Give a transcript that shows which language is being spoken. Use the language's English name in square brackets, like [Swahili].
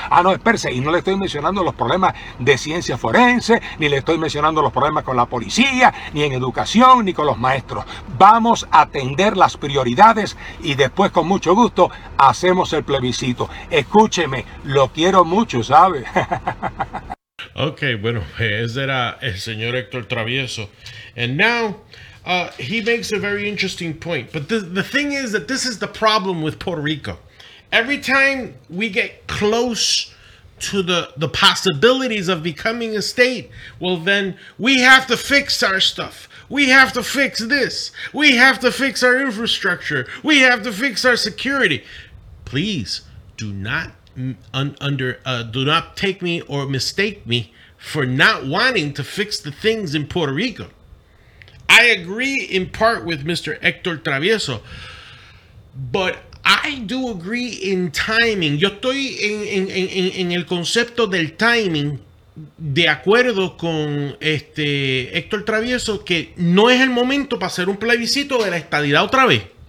[Spanish] Ah, no, espérese, y no le estoy mencionando los problemas de ciencia forense, ni le estoy mencionando los problemas con la policía, ni en educación, ni con los maestros. Vamos a atender las prioridades y después, con mucho gusto, hacemos el plebiscito. Escúcheme, lo quiero mucho, ¿sabe? Ok, bueno, ese era el señor Héctor Travieso. [English] And now, he makes a very interesting point, but the thing is that this is the problem with Puerto Rico. Every time we get close to the possibilities of becoming a state, well, then we have to fix our stuff. We have to fix this. We have to fix our infrastructure. We have to fix our security. Please do not take me or mistake me for not wanting to fix the things in Puerto Rico. I agree in part with Mr. Héctor Travieso, but I do agree in timing. [Spanish] Yo estoy en el concepto del timing de acuerdo con Héctor Travieso, que no es el momento para hacer un plebiscito de la estadidad otra vez.